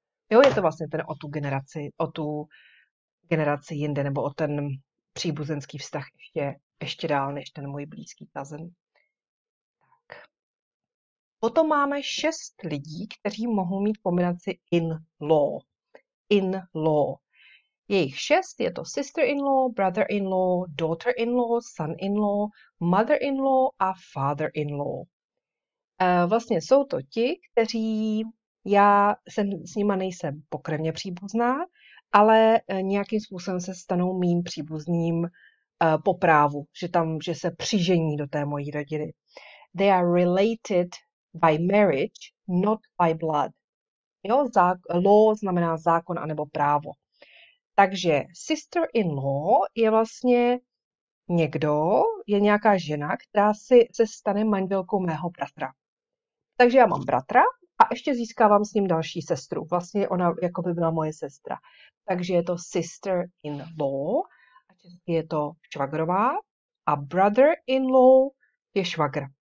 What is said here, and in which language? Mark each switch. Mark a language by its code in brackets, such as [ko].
[cs] Jo, je to vlastně ten o tu generaci jinde, nebo o ten příbuzenský vztah ještě dál než ten můj blízký cousin. Potom máme šest lidí, kteří mohou mít kombinaci in-law. [en] In-law. [cs] Je jich šest, je to sister-in-law, brother-in-law, daughter-in-law, son-in-law, mother-in-law a father-in-law. Vlastně jsou to ti, kteří já jsem s nima nejsem pokrevně příbuzná, ale nějakým způsobem se stanou mým příbuzným po právu, že se přižení do té mojí rodiny. [en] They are related by marriage, not by blood. [cs] Jo, law znamená zákon anebo právo. Takže sister-in-law je vlastně někdo, je nějaká žena, která si se stane manželkou mého bratra. Takže já mám bratra a ještě získávám s ním další sestru. Vlastně ona jako by byla moje sestra. Takže je to sister-in-law, je to švagrová a brother-in-law je švagr.